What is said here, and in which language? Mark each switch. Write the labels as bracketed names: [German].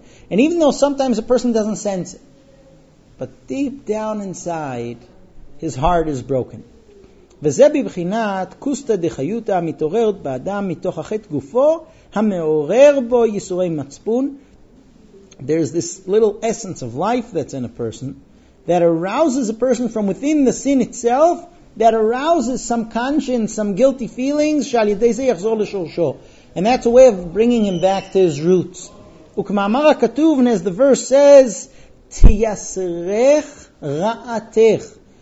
[English] And even though sometimes a person doesn't sense it, but deep down inside, his heart is broken. [Hebrew] וזה בבחינת קוסטה דחיותה מתעוררת באדם מתוך החטא גופו המעורר בו ייסורי מצפון. [English] There's this little essence of life that's in a person that arouses a person from within the sin itself, that arouses some conscience, some guilty feelings, [Hebrew] שעל ידי זה יחזור לשורשו. [English] And that's a way of bringing him back to his roots. [Hebrew] וכמאמר הכתוב, [English] and as the verse says, [Hebrew] תייסרך רעתך.